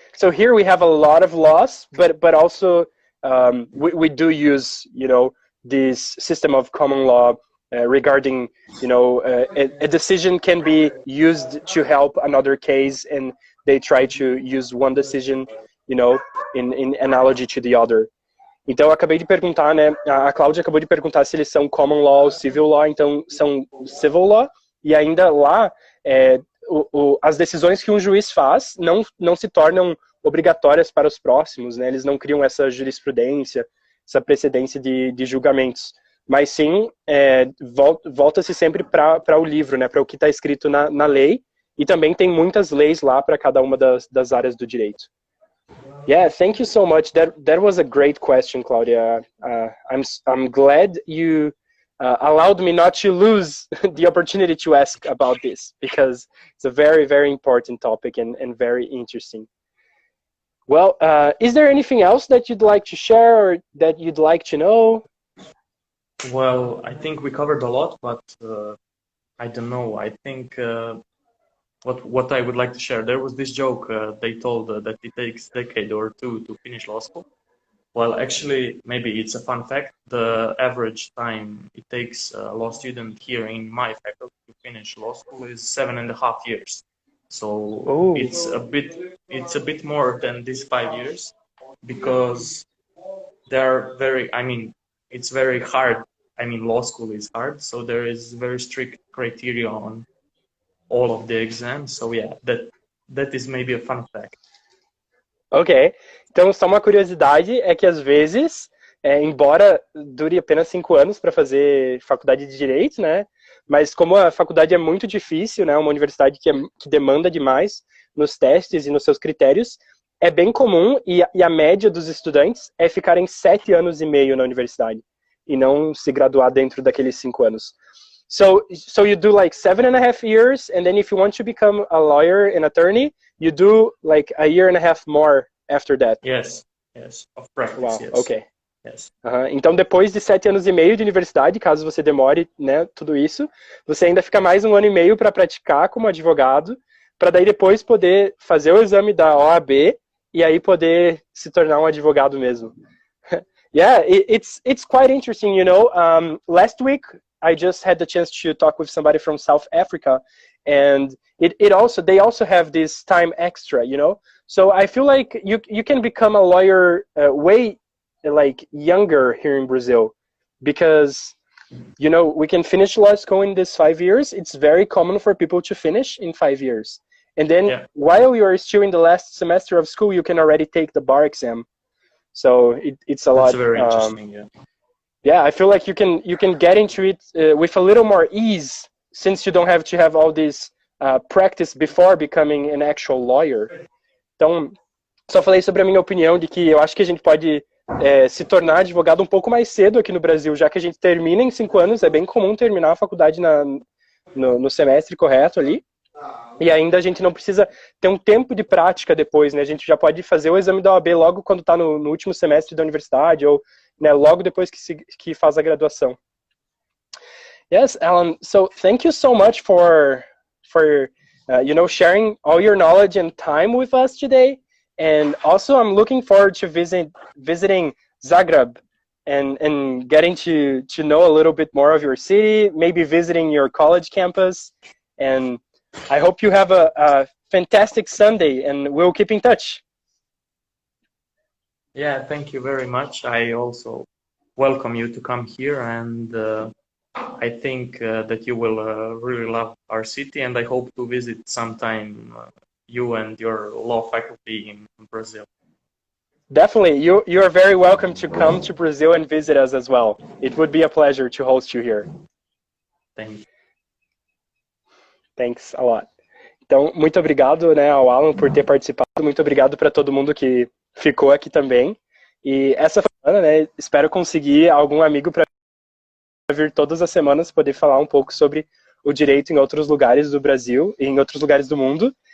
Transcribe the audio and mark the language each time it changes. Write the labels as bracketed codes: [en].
[en] So here we have a lot of laws, but also we do use, you know, this system of common law regarding, you know, a decision can be used to help another case, and they try to use one decision, you know, in analogy to the other. [pt] Então, eu acabei de perguntar, né? A Cláudia acabou de perguntar se eles são common law ou civil law. Então, são civil law, e ainda lá as decisões que um juiz faz não se tornam obrigatórias para os próximos, né? Eles não criam essa jurisprudência, essa precedência de julgamentos. Mas sim, volta-se sempre para o livro, né? Para o que está escrito na lei. E também tem muitas leis lá para cada uma das áreas do direito. [en] Yeah, thank you so much. That was a great question, Claudia. I'm glad you allowed me not to lose the opportunity to ask about this, because it's a very, very important topic and very interesting. Well, is there anything else that you'd like to share or that you'd like to know? Well, I think we covered a lot, but I don't know. I think what I would like to share, there was this joke they told that it takes a decade or two to finish law school. Well, actually, maybe it's a fun fact. The average time it takes a law student here in my faculty to finish law school is 7.5 years. So it's a bit more than these 5 years, because they are very, I mean, it's very hard. I mean, law school is hard. So there is very strict criteria on all of the exams. So yeah, that is maybe a fun fact. Okay. [pt] Então, só uma curiosidade é que às vezes, embora dure apenas 5 anos para fazer faculdade de direito, né? Mas como a faculdade é muito difícil, né? Uma universidade que demanda demais nos testes e nos seus critérios, é bem comum, e a média dos estudantes é ficarem 7.5 anos na universidade e não se graduar dentro daqueles 5 anos. [en] So you do like 7.5 years, and then if you want to become a lawyer, an attorney, you do like 1.5 years more after that. Yes, yes, of practice. Wow. Yes. Okay. Yes. [pt] Então depois de 7.5 anos de universidade, caso você demore, né, tudo isso, você ainda fica mais 1.5 anos para praticar como advogado, para daí depois poder fazer o exame da OAB e aí poder se tornar um advogado mesmo. [en] Yeah, it's quite interesting, you know. Last week I just had the chance to talk with somebody from South Africa, and they also have this time extra, you know. So I feel like you can become a lawyer way like younger here in Brazil, because, you know, we can finish law school in these 5 years. It's very common for people to finish in 5 years, and then while you are still in the last semester of school, you can already take the bar exam. So it's a lot. That's very interesting. Yeah, I feel like you can get into it with a little more ease, since you don't have to have all this practice before becoming an actual lawyer. [pt] Então, só falei sobre a minha opinião de que eu acho que a gente pode se tornar advogado um pouco mais cedo aqui no Brasil, já que a gente termina em 5 anos, é bem comum terminar a faculdade no semestre correto ali. E ainda a gente não precisa ter um tempo de prática depois, né? A gente já pode fazer o exame da OAB logo quando está no último semestre da universidade, ou, né, logo depois que faz a graduação. [en] Yes, Alen. So thank you so much for sharing all your knowledge and time with us today. And also, I'm looking forward to visiting Zagreb and getting to know a little bit more of your city, maybe visiting your college campus. And I hope you have a fantastic Sunday, and we'll keep in touch. Yeah, thank you very much. I also welcome you to come here, and I think that you will really love our city, and I hope to visit sometime you and your law faculty in Brazil. Definitely. You are very welcome to come to Brazil and visit us as well. It would be a pleasure to host you here. Thank you. Thanks a lot. [pt] Então, muito obrigado, né, ao Alen por ter participado. Muito obrigado para todo mundo que ficou aqui também. E essa semana, né, espero conseguir algum amigo para vir todas as semanas poder falar um pouco sobre o direito em outros lugares do Brasil e em outros lugares do mundo.